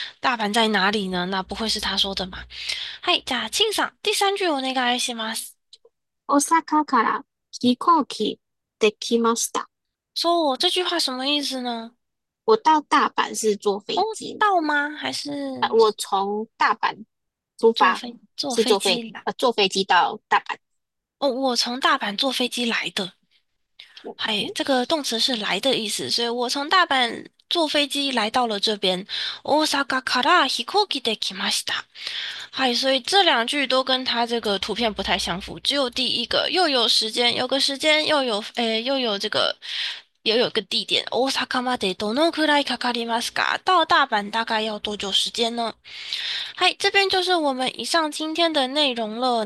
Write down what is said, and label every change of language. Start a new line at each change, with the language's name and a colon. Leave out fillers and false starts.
Chinese: 大阪在哪里呢？那不会是他说的嘛？
Japanese: はい、じゃあ、陳さん、第三句お願いします。大阪から飛行機できました。
Chinese: そう、这句话什么意思呢？我到大阪是坐飞哦，机，到吗？还是我从大阪出发，坐是飞机来？坐飞机到大阪。哦，我从大阪坐飞机来的。嗨，这个动词是来的意思，所以我从大阪坐飞机来到了这边。
Japanese: 大阪から飛行機できました。
Chinese: 嗨，所以这两句都跟它这个图片不太相符，只有第一个又有时间，有个时间，又有这个，又有个地点。
Japanese: 大阪までどのくらいかかりますか？
Chinese: 到大阪大概要多久时间呢？嗨，这边就是我们以上今天的内容了。